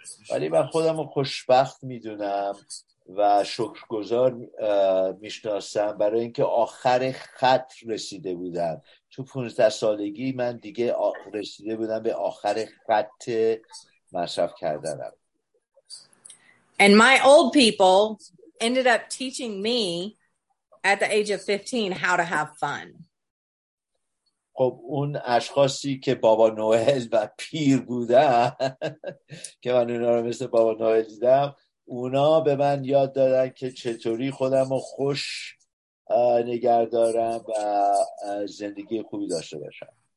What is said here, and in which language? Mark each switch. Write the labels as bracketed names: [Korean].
[Persian] ولی من خودم رو خوشبخت میدونم و شکرگزار میشناسم برای اینکه آخر خط رسیده بودم. تو 15 سالگی من دیگه رسیده بودم به آخر خط مصرف کردنم. [English] And my old people ended up teaching me at the age of 15 how to have fun. [Persian] خب اون اشخاصی که بابا نوئل و پیر بودن که من اونا رو مثل بابا نوئل دیدم، اونا به من یاد دادن که چطوری خودم رو خوش نگه دارم و زندگی خوبی داشته باشم.